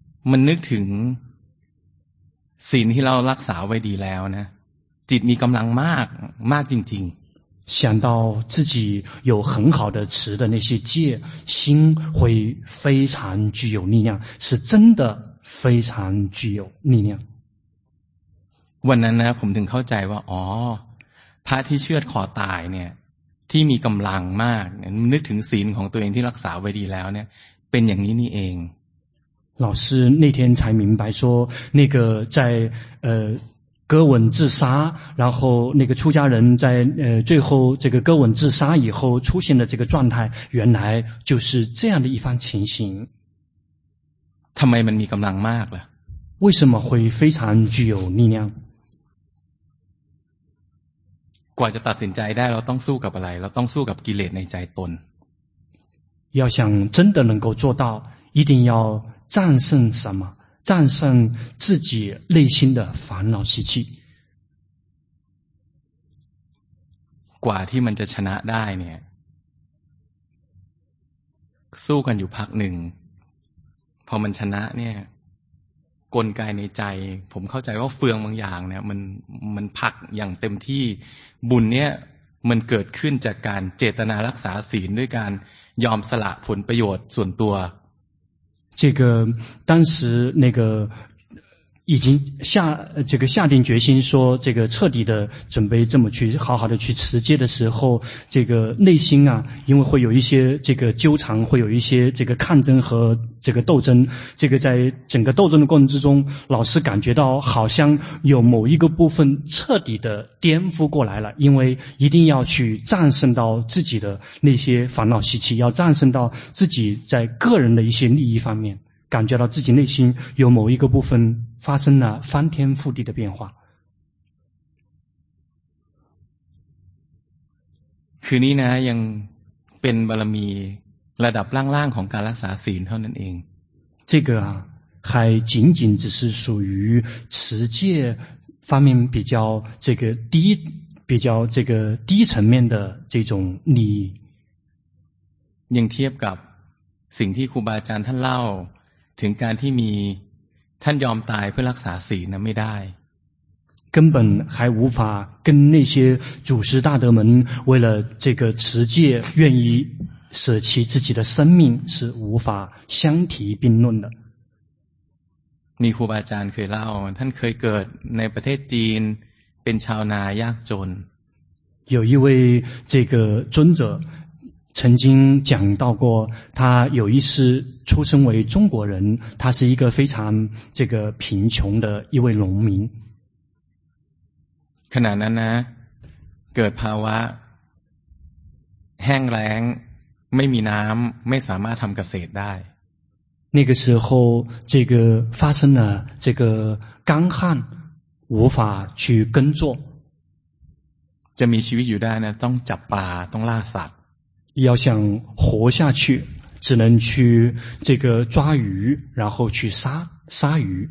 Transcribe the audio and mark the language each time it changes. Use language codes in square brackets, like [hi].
[th] มันนึกถึงศีลที่เรารักษาไว้ดีแล้วนะจิตมีกำลังมากมากจริง [zh] ๆ想到自己有很好的持的那些戒心会非常具有力量是真的非常具有力量 [th] วันนั้นนะผมถึงเข้าใจว่าอ๋อพระที่เชือดคอตายเนี่ยที่มีกำลังมากนึกถึงศีลของตัวเองที่รักษาไว้ดีแล้วเนี่ยเป็นอย่างนี้นี่เอง [zh] 老师那天才明白说那个在割腕自杀然后那个出家人在最后这个割腕自杀以后出现的这个状态原来就是这样的一番情形 [th] ทำไมมันมีกำลังมากล่ะ [zh] 为什么会非常具有力量 [th] กว่าจะตัดสินใจได้เราต้องสู้กับอะไรเราต้องสู้กับกิเลสในใจตน [zh] 要想真的能够做到一定要战胜什么战胜自己内心的烦恼习气 [th] กว่าที่มันจะชนะได้เนี่ยสู้กันอยู่พักหนึ่งพอมันชนะเนี่ยกลไกในใจผมเข้าใจว่าเฟืองบางอย่างเนี่ยมันผักอย่างเต็มที่บุญเนี่ยมันเกิดขึ้นจากการเจตนารักษาศีลด้วยการยอมสละผลประโยชน์ส่วนตัว [zh] 这个当时那个已经下这个下定决心说这个彻底的准备这么去好好的去持戒的时候这个内心啊因为会有一些这个纠缠会有一些这个抗争和这个斗争这个在整个斗争的过程之中老师感觉到好像有某一个部分彻底的颠覆过来了因为一定要去战胜到自己的那些烦恼习气要战胜到自己在个人的一些利益方面感觉到自己内心有某一个部分发生了翻天覆地的变化 [th] คือนี่นะยังเป็นบารมีระดับล่างๆของการรักษาศีลเท่านั้นเอง [zh] 这个啊还仅仅只是属于持戒方面比较这个低比较这个低层面的这种利益 [th] ยังเทียบกับสิ่งที่ครูบาอาจารย์ท่านเล่าถึงการที่มีท่านยอมตายเพื่อรักษาศีลนะไม่ได้ [zh] 根本还无法跟那些祖师大德们为了这个持戒愿意舍弃自己的生命是无法相提并论的 [th] มีครูบาอาจารย์เคยเล่าท่านเคยเกิดในประเทศจีนเป็นชาวนายากจน [zh] 有一位这个尊者曾经讲到过他有一次出生为中国人他是一个非常这个贫穷的一位农民 [th] ขณะนั้นนะเกิดภาวะแห้งแล้งไม่มีน้ำไม่สามารถทำเกษตรได้ [zh] 那个时候这个发生了这个干旱无法去耕作 [th] จะมีชีวิตอยู่ได้นะต้องจับปลาต้องล่าสัตว์ [zh] 要想活下去只能去这个抓鱼然后去杀鱼